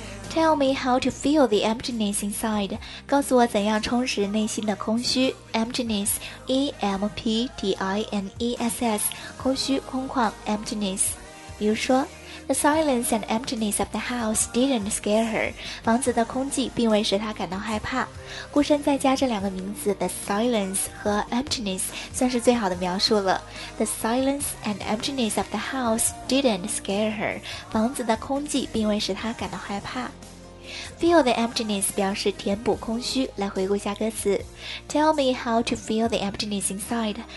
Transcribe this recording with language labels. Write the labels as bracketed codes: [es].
[en] Tell me how to feel the emptiness inside. [zh] 告诉我怎样充实内心的空虚。 [en] Emptiness, E-M-P-T-I-N-E-S-S, [zh] 空虚、空旷 ,emptiness. 比如说 [en] ,The silence and emptiness of the house didn't scare her. [zh] 房子的空寂并未使她感到害怕。孤身在家这两个名字 ,The silence 和 emptiness 算是最好的描述了。 [en] The silence and emptiness of the house didn't scare her. [zh] 房子的空寂并未使她感到害怕。 [en] Feel the emptiness [zh] 表示填补空虚。来回顾一下歌词。 [en] Tell me how to feel the emptiness inside.